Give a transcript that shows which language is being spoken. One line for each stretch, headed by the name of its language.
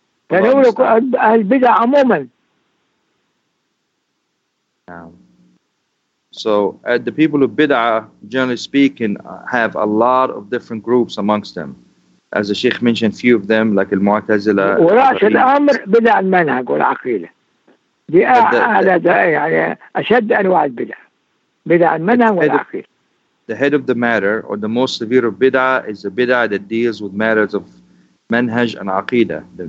Arabic: كان يقول أهل بدع عموما. نعم.
English: So the people of Bid'ah, generally speaking, have a lot of different groups amongst them. As the Sheikh mentioned, few of them, like Al-Mu'tazila.
Arabic: ورأس الأمر بدع المنهج والعقيدة. دي أعلى يعني أشد أنواع البدع. بدع المنهج والعقيدة.
English: The head of the matter, or the most severe of bid'ah, is a bid'ah that deals with matters of manhaj and aqidah.